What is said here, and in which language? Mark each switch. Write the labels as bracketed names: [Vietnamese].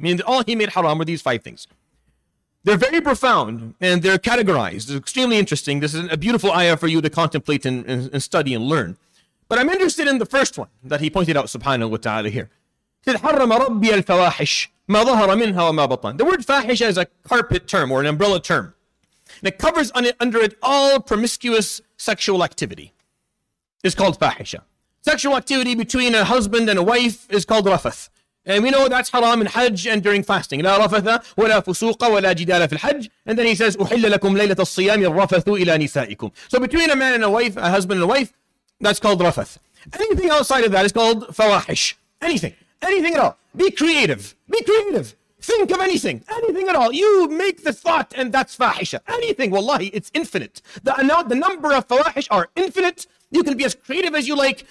[English] Meaning that all he made haram were these five things. They're very profound, and they're categorized. It's extremely interesting. This is a beautiful ayah for you to contemplate and study and learn. But I'm interested in the first one that he pointed out, subhanahu wa ta'ala, here. He said, [Arabic] حَرَّمَ رَبِّي الْفَوَاحِشِ مَا ظَهَرَ مِنْهَا وَمَا بَطَنَ. [English] The word fahish is a carpet term or an umbrella term. And it covers under it all promiscuous sexual activity. It's called fahisha. Sexual activity between a husband and a wife is called rafath. And we know that's haram in Hajj and during fasting. [Arabic] لَا رَفَثَ وَلَا فُسُوقَ وَلَا جِدَالَ فِي الْحَجِّ. [English] And then he says, [Arabic] أُحِلَّ لَكُمْ لَيْلَةَ الصِّيَامِ الرَّفَثُ إِلَى نِسَائِكُمْ. [English] So between a man and a wife, a husband and a wife, that's called rafath. Anything outside of that is called fawahish. Anything. Anything at all. Be creative. Be creative. Think of anything. Anything at all. You make the thought and that's fahisha. Anything. Wallahi, it's infinite. The number of fawahish are infinite. You can be as creative as you like.